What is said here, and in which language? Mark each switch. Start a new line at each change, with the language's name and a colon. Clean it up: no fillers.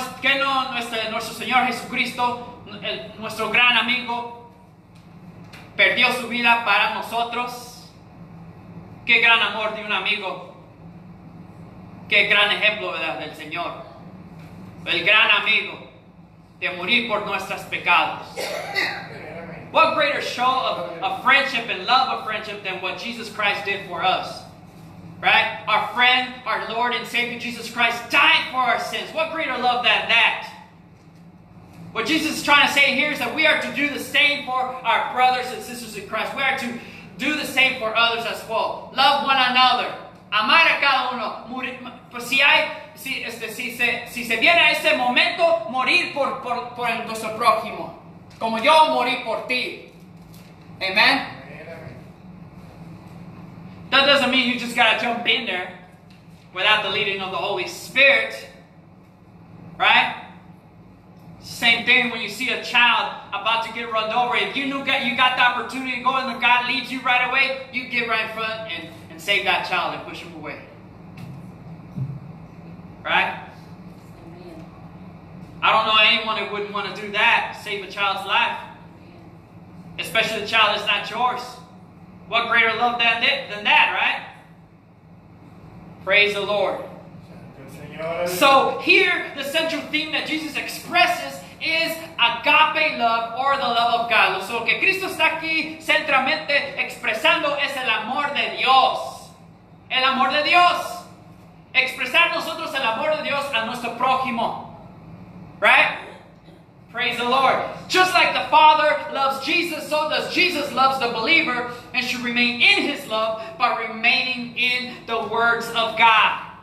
Spanish: Que nuestro Señor Jesucristo, nuestro gran amigo, perdió su vida para nosotros. Qué gran amor de un amigo. Qué gran ejemplo, ¿verdad?, del Señor. El gran amigo de morir por nuestros pecados.
English: What greater show of friendship and love of friendship than what Jesus Christ did for us? Right? Our friend, our Lord and Savior Jesus Christ died for our sins. What greater love than that? What Jesus is trying to say here is that we are to do the same for our brothers and sisters in Christ. We are to do the same for others as well. Love one another.
Spanish: Amar a cada uno. Si se viene a ese momento, morir por nuestro prójimo. Como yo morí por ti. Amen.
English: That doesn't mean you just gotta jump in there without the leading of the Holy Spirit. Right? Same thing when you see a child about to get run over. If you knew you got the opportunity to go and God leads you right away, you get right in front and save that child and push him away. Right? I don't know anyone that wouldn't want to do that, save a child's life. Especially the child that's not yours. What greater love than that, right? Praise the Lord. So here, the central theme that Jesus expresses is agape love, or the love of God.
Spanish: So que Cristo está aquí centralmente expresando es el amor de Dios. El amor de Dios. Expresar nosotros el amor de Dios a nuestro prójimo.
English: Right? Praise the Lord. Just like the Father loves Jesus, so does Jesus loves the believer and should remain in his love by remaining in the words of God.